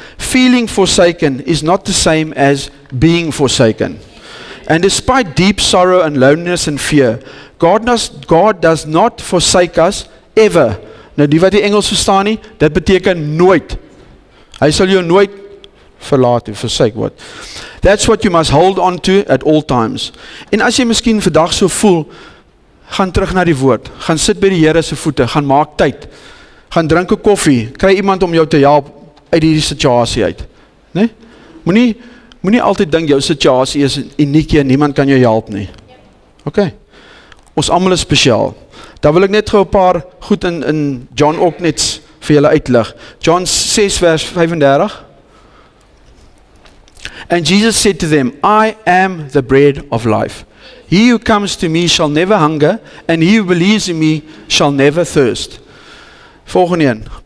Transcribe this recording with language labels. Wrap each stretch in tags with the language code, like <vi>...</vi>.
<en>Feeling forsaken is not the same as being forsaken. And despite deep sorrow and loneliness and fear, God does not forsake us ever.</en> <af>Nou die wat die Engels verstaan nie, dit beteken nooit. Hy sal jou nooit verlaat en versyk wat.</af> <en>That's what you must hold on to at all times.</en> <af>En as jy miskien vandag so voel, gaan terug na die woord. Gaan sit by die Here se voete, gaan maak tyd. Gaan drink 'n koffie, kry iemand om jou te help uit hierdie situasie uit. Né? Nee? Moenie altyd dink jou situasie is uniek en niemand kan jou help nie. OK. Ons almal is spesiaal. Dan wil ek net gou 'n paar goed in John ook net vir julle uitlig. John 6:35.</af> <en>And Jesus said to them, I am the bread of life. He who comes to me shall never hunger, and he who believes in me shall never thirst.</en> <af>Volgende een.</af>